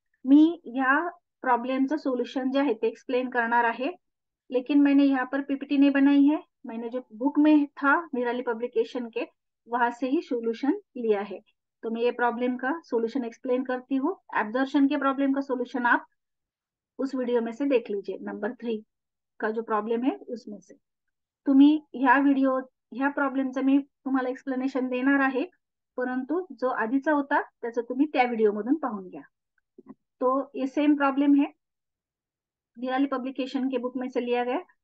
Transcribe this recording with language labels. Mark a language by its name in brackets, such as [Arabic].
[Marathi] मी या प्रॉब्लम चा सॉल्यूशन जो है ते एक्सप्लेन करणार आहे, [Hindi] लेकिन मैंने यहाँ पर पीपीटी नहीं बनाई है, मैंने जो बुक में था निराली पब्लिकेशन के वहां से ही सॉल्यूशन लिया है. तो मैं ये प्रॉब्लम का सॉल्यूशन एक्सप्लेन करती हूँ. एब्जॉर्प्शन के प्रॉब्लम का सॉल्यूशन आप उस वीडियो में से देख लीजिए, नंबर 3 का जो प्रॉब्लम है उसमें से. [Marathi] तुम्ही या वीडियो ह्या प्रॉब्लेमचं मी तुम्हाला एक्सप्लेनेशन देणार आहे, परंतु जो आधीचा होता त्याचं तुम्ही त्या व्हिडिओ मधून पाहून घ्या. [Hindi] तो ये सेम प्रॉब्लेम है, निराली पब्लिकेशन के बुक में से लिया गया.